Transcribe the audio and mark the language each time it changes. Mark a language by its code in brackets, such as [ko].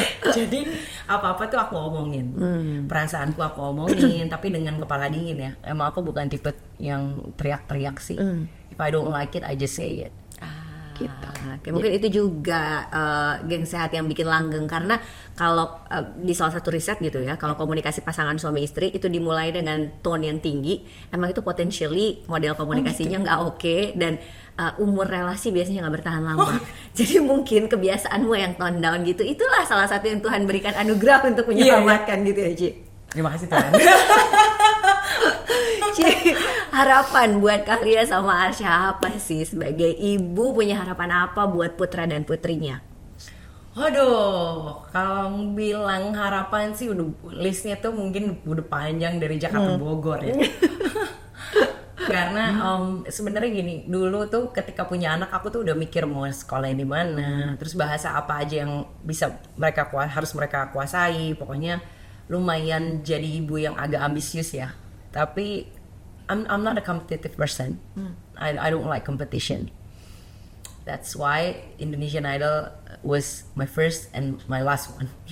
[id] Jadi apa-apa tuh aku omongin, perasaanku aku omongin, tapi dengan kepala dingin ya. Emang aku bukan tipe yang teriak-teriak sih. [en] If I don't like it, I just say it. [id] Gitu. Mungkin itu juga geng sehat yang bikin langgeng, karena kalau di salah satu riset gitu ya, kalau komunikasi pasangan suami istri itu dimulai dengan tone yang tinggi, emang itu potentially model komunikasinya nggak oke, dan umur relasi biasanya nggak bertahan lama. Jadi mungkin kebiasaanmu yang tone down gitu, itulah salah satu yang Tuhan berikan anugerah untuk menyelamatkan. Gitu ya, Ci. Terima kasih Tuhan. Ci, harapan buat Kahlia sama Arsya apa sih? Sebagai ibu punya harapan apa buat putra dan putrinya? Aduh, kalau bilang harapan sih listnya tuh mungkin udah panjang dari Jakarta ke Bogor ya. Karena sebenarnya gini, dulu tuh ketika punya anak aku tuh udah mikir mau sekolah di mana, terus bahasa apa aja yang bisa mereka harus mereka kuasai. Pokoknya lumayan jadi ibu yang agak ambisius ya. Tapi [en] I'm not a competitive person. I don't like competition. That's why Indonesian Idol was my first and my last one.